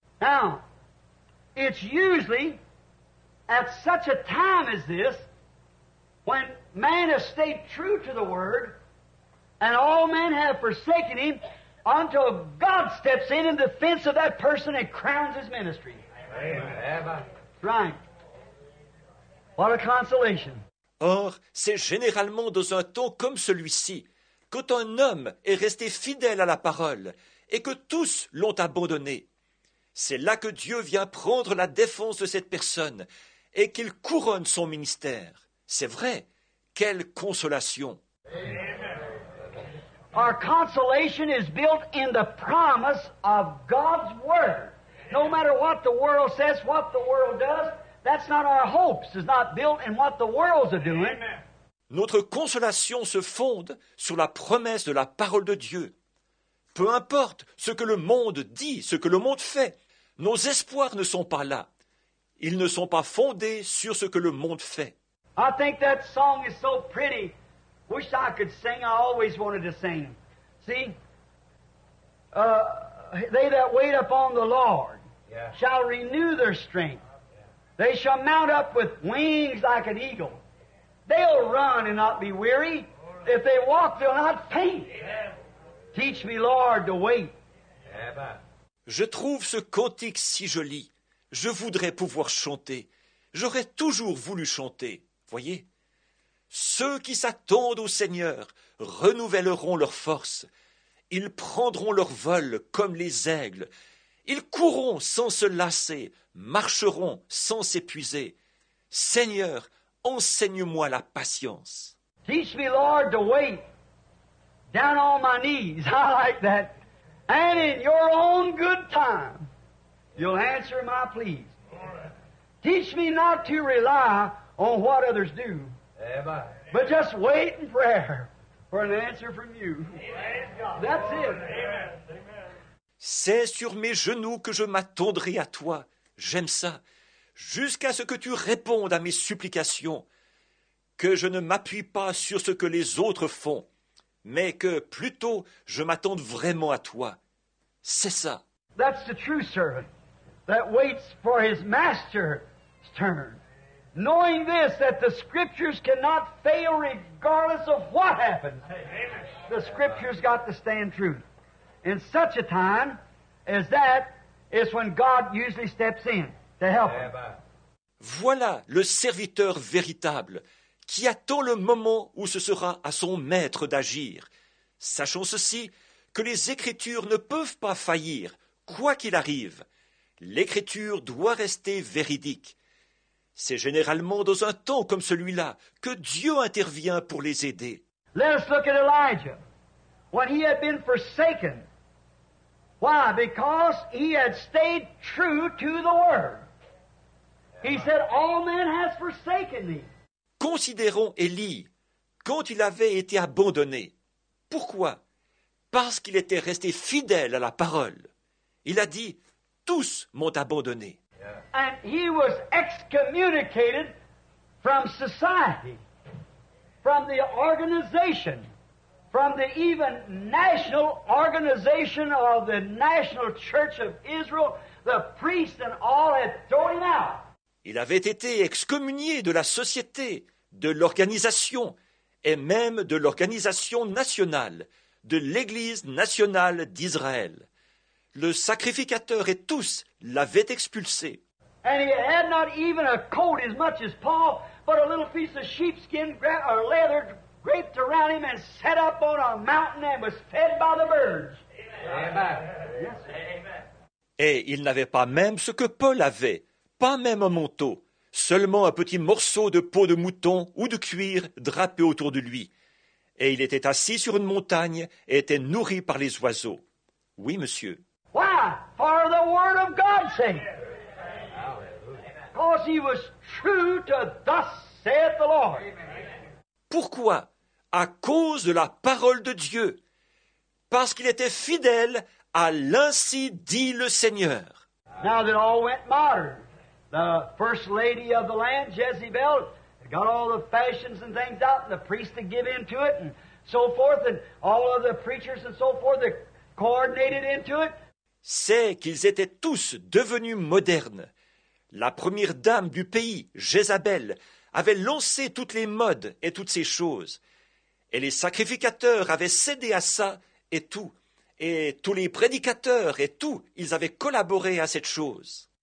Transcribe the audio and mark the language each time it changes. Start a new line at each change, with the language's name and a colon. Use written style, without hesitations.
English: Now, it's usually at such a time as this when man has stayed true to the Word and all men have forsaken him until God steps in defense of that person and crowns his ministry. Amen. Right. What a consolation.
French: Or, c'est généralement dans un temps comme celui-ci quand un homme est resté fidèle à la parole et que tous l'ont abandonné. C'est là que Dieu vient prendre la défense de cette personne et qu'il couronne son ministère. C'est vrai. Quelle consolation.
English: Our consolation is built in the promise of God's Word. No matter what the world says, what the world does, that's not our hopes. It's not built in what the world's doing.
French: Notre consolation se fonde sur la promesse de la parole de Dieu. Peu importe ce que le monde dit, ce que le monde fait, nos espoirs ne sont pas là. Ils ne sont pas fondés sur ce que le monde fait.
English: I think that song is so pretty. Wish I could sing. I always wanted to sing. See? They that wait upon the Lord shall renew their strength. They shall mount up with wings like an eagle. They'll run and not be weary. If they walk, they'll not faint. Teach me, Lord, to wait.
French: Je trouve ce cantique si joli. Je voudrais pouvoir chanter. J'aurais toujours voulu chanter. Voyez, ceux qui s'attendent au Seigneur renouvelleront leur force. Ils prendront leur vol comme les aigles. Ils courront sans se lasser, marcheront sans s'épuiser. Seigneur, enseigne-moi la patience.
English: Teach me, Lord, to wait down on my knees. I like that. And in your own good time, you'll answer my pleas. Teach me not to rely on what others do, but just wait in prayer for an answer from you. That's it.
French: C'est sur mes genoux que je m'attendrai à toi. J'aime ça. Jusqu'à ce que tu répondes à mes supplications, que je ne m'appuie pas sur ce que les autres font, mais que plutôt je m'attende vraiment à toi. C'est ça.
English: That's the true servant that waits for his master's turn. Knowing this, that the Scriptures cannot fail regardless of what happens. The Scriptures got to stand true. In such a time as that is when God usually steps in to help him.
French: Voilà le serviteur véritable qui attend le moment où ce sera à son maître d'agir. Sachons ceci, que les Écritures ne peuvent pas faillir, quoi qu'il arrive. L'Écriture doit rester véridique. C'est généralement dans un temps comme celui-là que Dieu intervient pour les aider.
English: Let us look at Elijah. When he had been forsaken. Why? Because he had stayed true to the Word. He said, all man has forsaken me.
French: Considérons Élie quand il avait été abandonné. Pourquoi? Parce qu'il était resté fidèle à la parole. Il a dit, tous m'ont abandonné.
English: Yeah. And he was excommunicated from society, from the organization, from the even national organization of the National Church of Israel, the priest and all had thrown him out.
French: Il avait été excommunié de la société, de l'organisation, et même de l'organisation nationale, de l'Église nationale d'Israël. Le sacrificateur et tous l'avaient expulsé.
English: And he had not even a coat as much as Paul, but a little piece of sheepskin or leather draped around him and set up on a mountain and was fed by the birds. Amen. Amen. Yes.
French: Et il n'avait pas même ce que Paul avait, pas même un manteau, seulement un petit morceau de peau de mouton ou de cuir drapé autour de lui. Et il était assis sur une montagne et était nourri par les oiseaux. Oui, monsieur.
English: Why? For the word of God's sake. Because he was true to thus saith the Lord.
French: Pourquoi? À cause de la parole de Dieu. Parce qu'il était fidèle à l'ainsi dit le Seigneur.
English: Now that all went modern. The first lady of the land, Jezebel, got all the fashions and things out, and the priests to give into it, and so forth, and all of the preachers and so forth that coordinated into it.
French: C'est qu'ils étaient tous devenus modernes. La première dame du pays, Jézabel, avait lancé toutes les modes et toutes ces choses. Et les sacrificateurs avaient cédé à ça et tout. Et tous les prédicateurs et tout, ils avaient collaboré à cette chose.